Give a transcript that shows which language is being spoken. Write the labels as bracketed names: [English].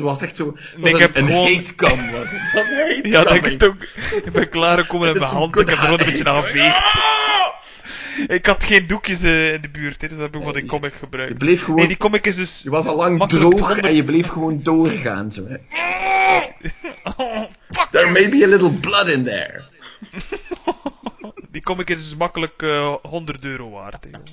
[Dutch] Het was echt zo... Het was een hatecam. Ja, dat ik het ook... Ik ben klaargekomen met mijn hand. Ik heb er gewoon een beetje aangeveegd. Ik had geen doekjes in de buurt, hè, dus dat heb ik wat die comic gebruikt. Je bleef gewoon... Nee, die comic is dus... Je was al lang droog en je bleef gewoon doorgaan. Zo, hè. [English] Oh, there may be a little blood in there. [Dutch] Die comic is dus makkelijk €100 waard.